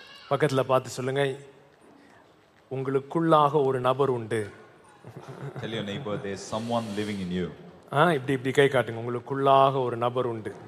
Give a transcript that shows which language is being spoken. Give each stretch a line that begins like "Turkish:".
Tamil: பக்கத்துல பார்த்து சொல்லுங்க, உங்களுக்குள்ளாக ஒரு நபர் உண்டு.
English: Tell your neighbor there's someone living in you.
Tamil: இப்படி இப்படி கை காட்டுங்க, உங்களுக்குள்ளாக ஒரு நபர் உண்டு.